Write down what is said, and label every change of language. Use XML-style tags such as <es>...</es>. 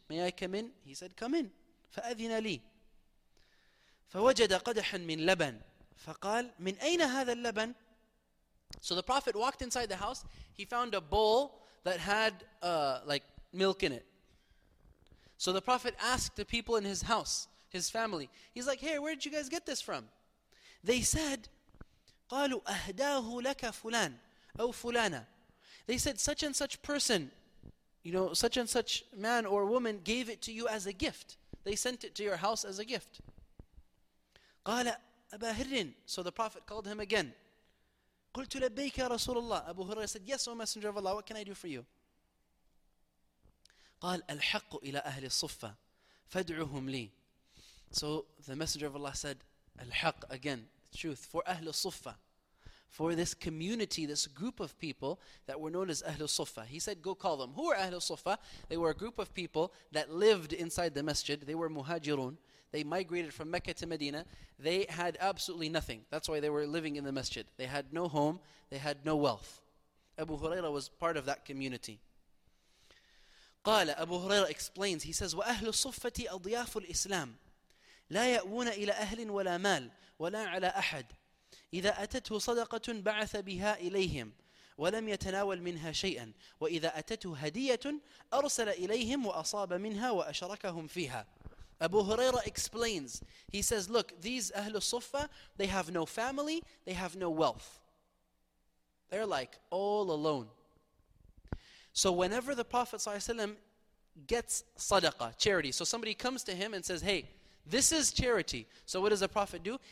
<en>May I come in? He said, come in.</en> <ar>فَأَذِنَ لِي. فَوَجَدَ قَدَحًا مِنْ لَبَنْ فَقَالْ مِنْ أَيْنَ هَذَا اللَّبَنْ.</ar> <en>So the Prophet walked inside the house, he found a bowl that had like milk in it. So the Prophet asked the people in his house, his family. He's like, hey, where did you guys get this from? They said,</en> <ar>قَالُوا أَهْدَاهُ لَكَ فُلَانَ أَوْ فُلَانَ.</ar> <en>They said, such and such person, you know, such and such man or woman gave it to you as a gift. They sent it to your house as a gift.</en> <ar>قَالَ أَبَا هِرٍ.</ar> <en>So the Prophet called him again.</en> <ar>قُلْتُ لَبَّيْكَ رَسُولَ اللَّهِ.</ar> <en>Abu Huraira said, yes, O Messenger of Allah, what can I do for you?</en> <ar>قَالَ الْحَقُّ إِلَىٰ أَهْلِ الصُّفَّةِ فَادْعُهُمْ لِي.</ar> <en>So the Messenger of Allah said, Al-Haq, again, truth, for Ahl al-Suffa, for this community, this group of people that were known as Ahl al-Suffa. He said, go call them. Who are Ahl al-Suffa? They were a group of people that lived inside the masjid. They were muhajirun. They migrated from Mecca to Medina. They had absolutely nothing. That's why they were living in the masjid. They had no home. They had no wealth. Abu Huraira was part of that community.</en> <ar>قال,</ar> <en>Abu Huraira explains, he says,</en> <ar>وأهل الصفة أضياف الإسلام لا يأوون إلى أهل ولا مال ولا على أحد إذا أتته صدقة بعث بها إليهم ولم يتناول منها شيئا وإذا أتته هدية أرسل إليهم وأصاب منها وأشركهم فيها.</ar> <en>Abu Huraira explains. He says, look, these Ahl al-Suffa, they have no family, they have no wealth. They're like all alone. So whenever the Prophet ﷺ gets sadaqah, charity, so somebody comes to him and says, hey, this is charity. So what does the Prophet do?</en>